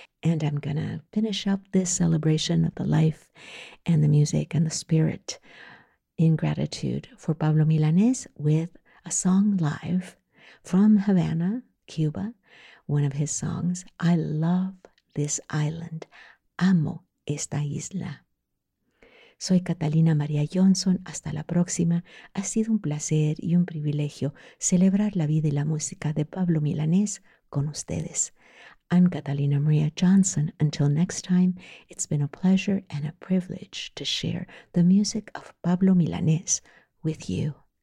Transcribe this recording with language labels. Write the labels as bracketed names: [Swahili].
[English] And I'm gonna finish up this celebration of the life and the music and the spirit in gratitude for Pablo Milanés with a song live from Havana, Cuba, one of his songs, I Love This Island, Amo Esta Isla. [Spanish] Soy Catalina María Johnson. Hasta la próxima. Ha sido un placer y un privilegio celebrar la vida y la música de Pablo Milanés con ustedes. [English] I'm Catalina María Johnson. Until next time, it's been a pleasure and a privilege to share the music of Pablo Milanés with you.